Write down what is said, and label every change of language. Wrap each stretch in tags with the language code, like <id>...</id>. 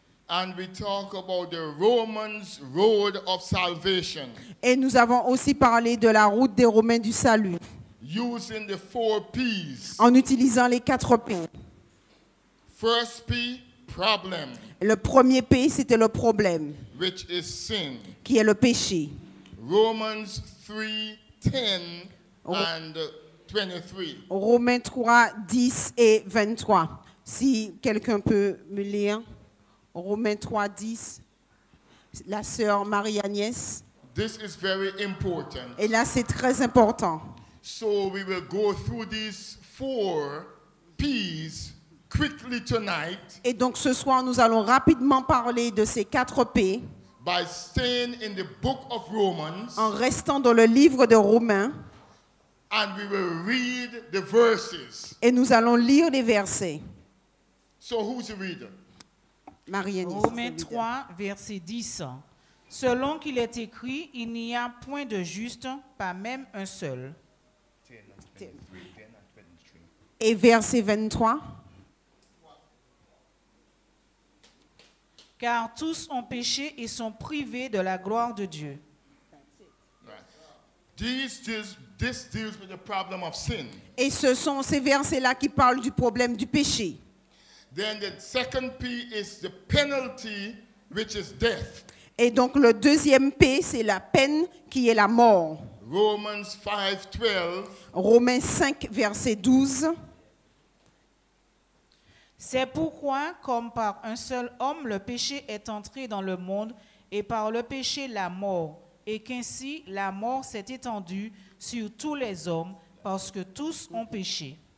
<en>And we talk about the Romans road of salvation.</en> <fr>Et nous avons aussi parlé de la route des Romains du salut.</fr> <en>Using the four P's.</en> <fr>En utilisant les quatre P.</fr> <en>First P, problem.</en> <fr>Le premier P, c'était le problème.</fr> <en>Which is sin.</en> <fr>Qui est le péché.</fr> <en>Romans 3, 10 and 23.</en> <fr>Romains 3, 10 et 23. Si quelqu'un peut me lire. Romains 3, 10. La sœur Marie-Agnès.</fr> <en>This is very important.</en> <fr>Et là, c'est très important.</fr> <en>So we will go through these four P's quickly tonight.</en> <fr>Et donc ce soir, nous allons rapidement parler de ces quatre P.</fr> <en>By staying in the book of Romans.</en> <fr>En restant dans le livre de Romains.</fr> <en>And we will read the verses.</en> <fr>Et nous allons lire les versets.</fr> <en>So who's the reader?</en> <fr>Marie-Anne. Romains 3, verset 10. Selon qu'il est écrit, il n'y a point de juste, pas même un seul. Et verset 23. Car tous ont péché et sont privés de la gloire de Dieu.</fr> <en>This deals with the problem of sin.</en> <fr>Et ce sont ces versets-là qui parlent du problème du péché.</fr> <en>Then the second P is the penalty, which is death.</en> <fr>Et donc le deuxième P, c'est la peine qui est la mort.</fr> <en>Romans 5, 12.</en> <fr>Romains 5, verset 12. C'est pourquoi, comme par un seul homme, le péché est entré dans le monde, et par le péché, la mort, et qu'ainsi, la mort s'est étendue sur tous les hommes, parce que tous ont péché.</fr>